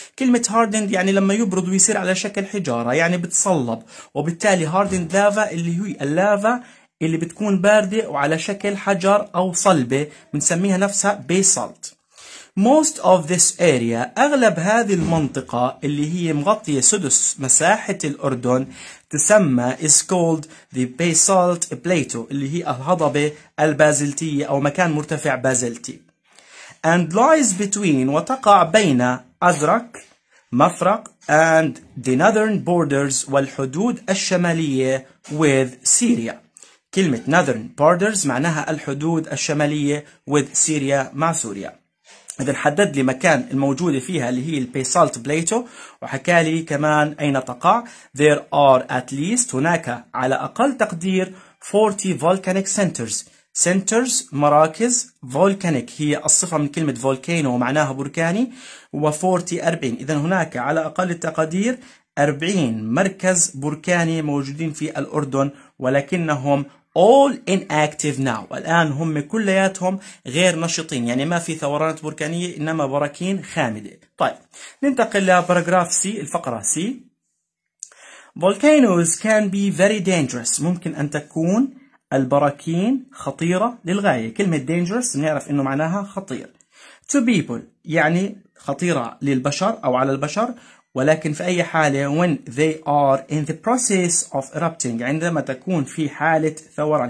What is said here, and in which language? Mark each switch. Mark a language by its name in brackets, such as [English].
[Arabic] كلمة hardened يعني لما يبرد ويصير على شكل حجارة يعني بتصلب، وبالتالي hardened lava اللي هي اللافا اللي بتكون باردة وعلى شكل حجر أو صلبة بنسميها نفسها basalt. [English] Most of this area [Arabic] أغلب هذه المنطقة اللي هي مغطية سدس مساحة الأردن تسمى [English] is called the basalt plateau [Arabic] اللي هي الهضبة البازلتية أو مكان مرتفع بازلتي. [English] And lies between [Arabic] وتقع بين أزرق مفرق [English] and the northern borders [Arabic] والحدود الشمالية [English] with Syria. [Arabic] كلمة northern borders معناها الحدود الشمالية [English] with Syria [Arabic] مع سوريا. إذا حدد لي مكان الموجودة فيها اللي هي البيسالت بليتو وحكى لي كمان أين تقع. [English] There are at least [Arabic] هناك على أقل تقدير [English] 40 volcanic centers. [Arabic] Centers مراكز، volcanic هي الصفة من كلمة volcano ومعناها بركاني، و 40 40 إذا هناك على أقل التقدير 40 مركز بركاني موجودين في الأردن ولكنهم [English] all inactive now. [Arabic] الآن هم كلياتهم غير نشطين، يعني ما في ثورات بركانية إنما براكين خامدة. طيب ننتقل لباراجراف سي، الفقرة سي. [English] Volcanoes can be very dangerous. [Arabic] ممكن أن تكون البراكين خطيرة للغاية. كلمة dangerous نعرف إنه معناها خطير. [English] To people [Arabic] يعني خطيرة للبشر أو على البشر. ولكن في أي حالة [English] when they are in the process of erupting [Arabic] عندما تكون في حالة ثوران.